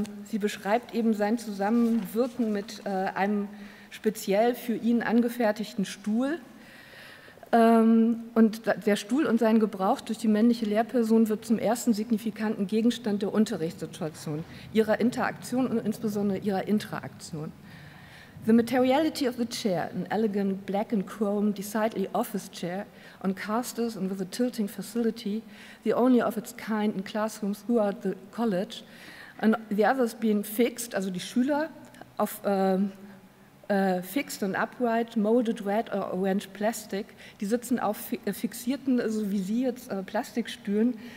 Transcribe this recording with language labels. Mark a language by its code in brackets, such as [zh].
[de] Sie beschreibt eben sein Zusammenwirken mit einem speziell für ihn angefertigten Stuhl. Und der Stuhl und sein Gebrauch durch die männliche Lehrperson wird zum ersten signifikanten Gegenstand der Unterrichtssituation, ihrer Interaktion und insbesondere ihrer Intraaktion. [en] The materiality of the chair, an elegant black and chrome, decidedly office chair, on casters and with a tilting facility, the only of its kind in classrooms throughout the college, and the others being fixed, [de] also die Schüler, auf [en] fixed and upright, molded red or orange plastic. [de] Die sitzen auf fixierten, also wie Sie jetzt, Plastikstühlen.